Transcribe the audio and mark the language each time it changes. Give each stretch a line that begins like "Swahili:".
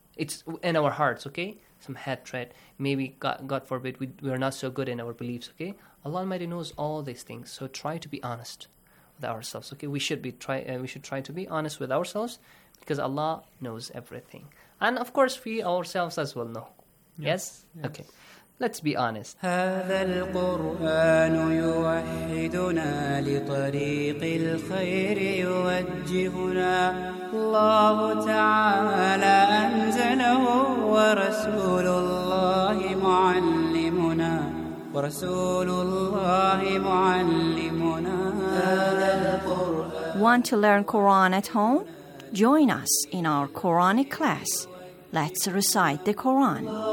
English: It's in our hearts, okay? Some hatred. Maybe, God forbid, we are not so good in our beliefs, okay? Allah Almighty knows all these things, so try to be honest. Ourselves, okay. We should try to be honest with ourselves, because Allah knows everything, and of course, we ourselves as well know. Yes. Okay. Let's be honest.
Arabic: هذا القرآن يوحدنا لطريق الخير يوجهنا الله تعالى أنزله ورسول الله معلمنا ورسول الله معلمنا هذا القرآن.
English: Want to learn Quran at home? Join us in our Quranic class. Let's recite the Quran.